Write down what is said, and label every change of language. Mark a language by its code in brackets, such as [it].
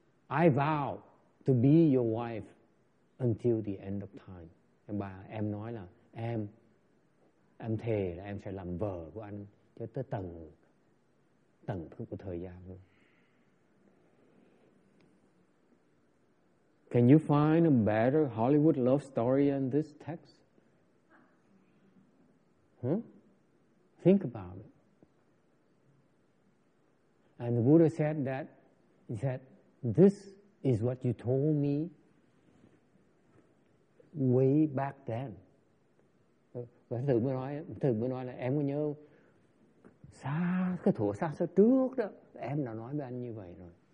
[en] I vow to be your wife until the end of time. [vi] Em bà em nói là em thề là em sẽ làm vợ của anh cho tới tận của thời gian luôn. [en] Can you find a better Hollywood love story in this text? Think about it. And the Buddha said that, he said, this is what you told me way back then. [vi] Thầy mới nói là em có nhớ xa, cái thủa xa xưa trước đó, em đã nói với anh như vậy rồi.